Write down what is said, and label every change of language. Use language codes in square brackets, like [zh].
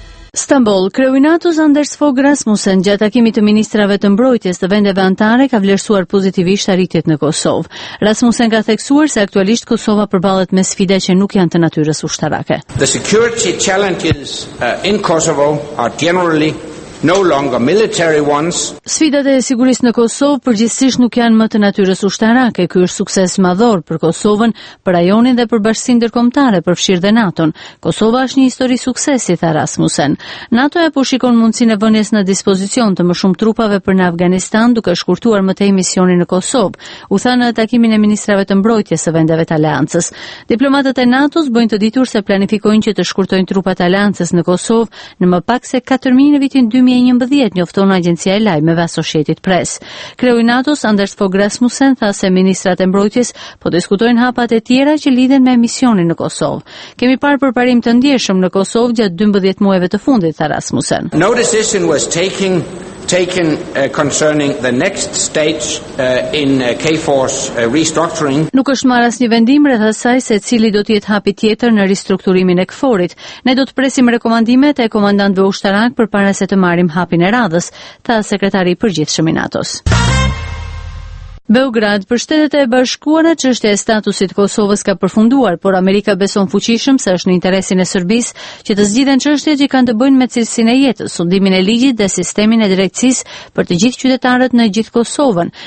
[sq] Stambol, kreu i NATO-s Anders Fogh Rasmussen gjatë takimit të ministrave të mbrojtjes të vendeve anëtare ka vlerësuar pozitivisht arritjet në Kosovë. Rasmussen ka theksuar se aktualisht Kosova përballet me sfida që nuk janë të natyrës ushtarake. [en] The security challenges in Kosovo are generally no longer military ones. [sq] Sfidat e sigurisë në Kosovë përgjithsisht nuk janë më të natyrës ushtarake. Ky është sukses madhor për Kosovën, për rajonin dhe për bashkësinë ndërkombëtare, përfshirë dhe NATO-n. Kosova është një histori suksesi, tha Rasmussen. NATO-ja po shikon mundësinë e vënies në dispozicion të më shumë trupave për në Afganistan, duke shkurtuar më tej misionin në Kosovë, u tha në takimin e ministrave të mbrojtjes së vendeve të aleancës. Diplomatët e NATO-s bëjnë të ditur se planifikojnë që të shkurtojnë trupat aleancës në Kosovë në më pak se 4000 në vitin 2011, njofton agjencia e lajmeve Associated Press. Kreu i NATO-s Anders Fogh Rasmussen tha se ministrat e mbrojtjes po diskutojnë hapat e tjera që lidhen me misionin në Kosovë. Kemi parë përparim të ndjeshëm në Kosovë gjatë 12 muajve të fundit, tha Rasmussen. [en] No decision was taken concerning the next stage in KFOR's restructuring. [sq] Nuk është marrë asnjë vendim rreth asaj se cili do të jetë hapi tjetër në ristrukturimin e KFOR-it. Ne do të presim rekomandimet e komandantëve ushtarak përpara se të marrim hapin e radhës, tha sekretari i përgjithshëm i NATO-s. Beograd, për Shtetet e Bashkuara, çështja e statusit Kosovës ka përfunduar, por Amerika beson fuqishëm se është në interesin e Serbisë që të zgjidhen çështjet që kanë të bëjnë me cilësinë e jetës, sundimin e ligjit dhe sistemin e drejtësisë për të gjithë qytetarët në gjithë Kosovën.